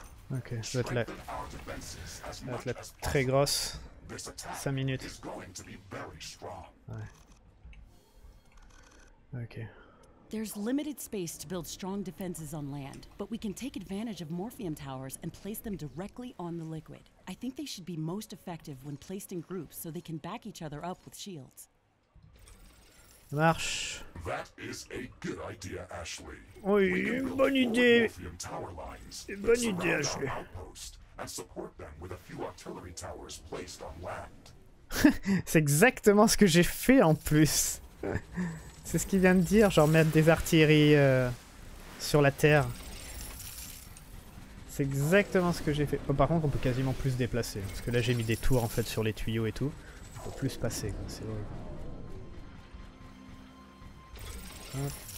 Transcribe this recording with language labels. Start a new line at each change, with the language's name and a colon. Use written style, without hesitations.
French: Ok, ça va être la très grosse 5 minutes. Ouais. Ok.
English: There's limited space to build strong defenses on land, but we can take advantage of morphium towers and place them directly on the liquid. I think they should be most effective when placed in groups so they can back each other up with shields.
French: Marche.
English: That is a good idea, Ashley.
French: Oui, bonne idée. Bonne idée, Ashley.
English: And support them with a few artillery towers placed on land.
French: C'est exactement ce que j'ai fait en plus. C'est ce qu'il vient de dire, genre mettre des artilleries sur la terre. C'est exactement ce que j'ai fait. Oh, par contre, on peut quasiment plus se déplacer parce que là j'ai mis des tours en fait sur les tuyaux et tout. On peut plus passer, quoi. C'est vrai. Hop.